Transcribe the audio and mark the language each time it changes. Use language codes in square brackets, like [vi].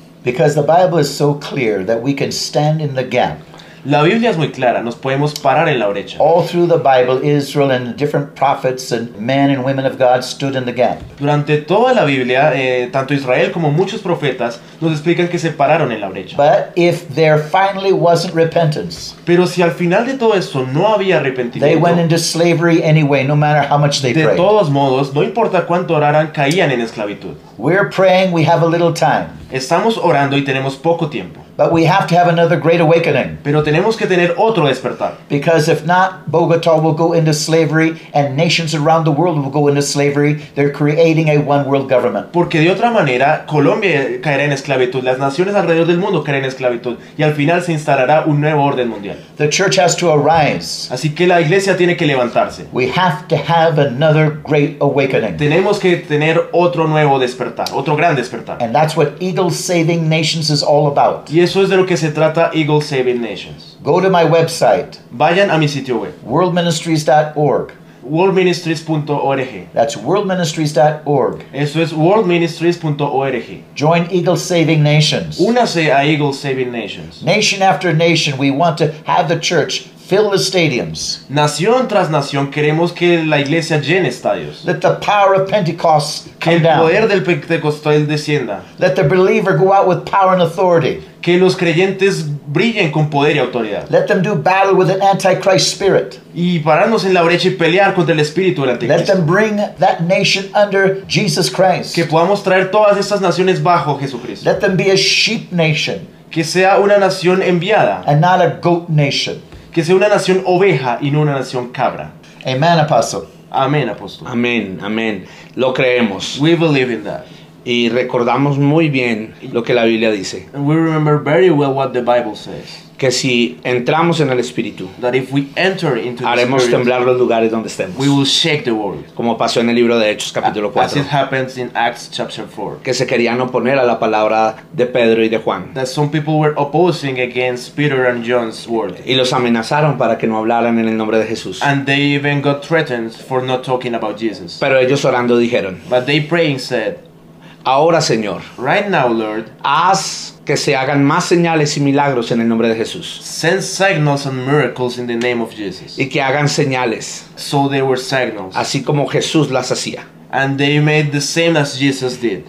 [en] Because the Bible is so clear that we can stand in the gap. [es] La Biblia es muy clara, nos podemos parar en la brecha. [en] All through the Bible, Israel and different prophets and men and women of God stood in the gap. [es] Durante toda la Biblia, tanto Israel como muchos profetas nos explican que se pararon en la brecha. [en] But if there finally wasn't repentance, [es] pero si al final de todo esto no había arrepentimiento, [en] they went into slavery anyway, no matter how much they prayed. [es] De todos modos, no importa cuánto oraran, caían en esclavitud. [en] We're praying, we have a little time. [es] Estamos orando y tenemos poco tiempo. [en] But we have to have another great awakening. [es] Pero tenemos que tener otro despertar. [en] Because if not, Bogotá will go into slavery and nations around the world will go into slavery. They're creating a one world government. [es] Porque de otra manera, Colombia caerá en esclavitud. Las naciones alrededor del mundo caerán en esclavitud. Y al final se instalará un nuevo orden mundial. [en] The church has to arise. [es] Así que la iglesia tiene que levantarse. [en] We have to have another great awakening. [es] Tenemos que tener otro nuevo despertar, otro gran despertar. [en] And that's what Eagle Saving Nations is all about. [es] Y eso es de lo que se trata Eagle Saving Nations. [en] Go to my website. [es] Vayan a mi sitio web. [en] Worldministries.org. Worldministries.org. That's worldministries.org. [es] Eso es worldministries.org. [en] Join Eagle Saving Nations. [es] Únase a Eagle Saving Nations. [en] Nation after nation, we want to have the church fill the stadiums. [es] Nación tras nación queremos que la iglesia llene estadios. [en] Let the power of Pentecost come down. [es] Que el poder del Pentecostal descienda. [en] Let the believer go out with power and authority. [es] Que los creyentes brillen con poder y autoridad. [en] Let them do battle with an antichrist spirit. [es] Y pararnos en la brecha y pelear contra el espíritu del anticristo. [en] Let them bring that nation under Jesus Christ. [es] Que podamos traer todas estas naciones bajo Jesucristo. [en] Let them be a sheep nation. [es] Que sea una nación enviada. [en] And not a goat nation. [es] Que sea una nación oveja y no una nación cabra. Amen, apóstol. Amén, apóstol. Amén, amén. Lo creemos. [en] We believe in that. [es] Y recordamos muy bien lo que la Biblia dice. [en] And we remember very well what the Bible says. [es] Que si entramos en el Espíritu, [en] that if we enter into the [es] haremos [en] Spirit, [es] temblar los lugares donde estemos. [en] We will shake the world. [es] Como pasó en el libro de Hechos, capítulo 4. [en] As it happens in Acts chapter 4. [es] Que se querían oponer a la palabra de Pedro y de Juan. [en] That some people were opposing against Peter and John's word. [es] Y los amenazaron para que no hablaran en el nombre de Jesús. [en] And they even got threatened for not talking about Jesus. [es] Pero ellos orando dijeron. [en] But they praying said, [es] ahora, Señor, [en] right now, Lord, [es] haz que se hagan más señales y milagros en el nombre de Jesús. [en] Send signals and miracles in the name of Jesus. [es] Y que hagan señales. [en] So they were signals. [es] Así como Jesús las hacía. [en] And they made the same as Jesus did.